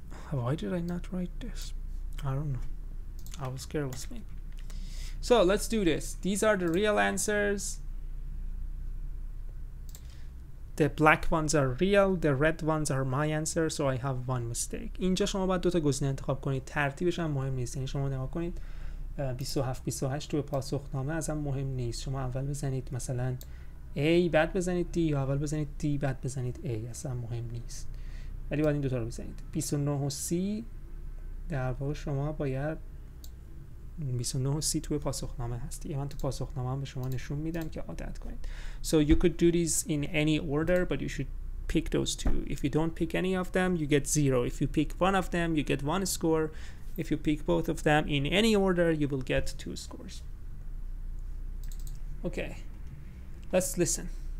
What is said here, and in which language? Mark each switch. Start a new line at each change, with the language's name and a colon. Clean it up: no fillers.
English: Why did I not write this? I don't know. I was careless maybe. So let's do this. These are the real answers. The black ones are real, the red ones are my answer, so I have one mistake.
Persian: اینجا شما باید دوتا گزینه انتخاب کنید. ترتیبش هم مهم نیست. یعنی شما نگاه کنید 27 28 توی پاسخنامه ازم مهم نیست. شما اول بزنید مثلا A بعد بزنید D یا اول بزنید D بعد بزنید A اصلا مهم نیست. ولی باید این دوتا رو بزنید. 29 و 30 در واقع شما باید 29 و 30 توی پاسخنامه هستی. من تو پاسخنامه هم به شما نشون میدم که عادت کنید.
English: So you could do these in any order, but you should pick those two. If you don't pick any of them, you get zero. If you pick one of them, you get one score. If you pick both of them in any order, you will get two scores. Okay, let's listen.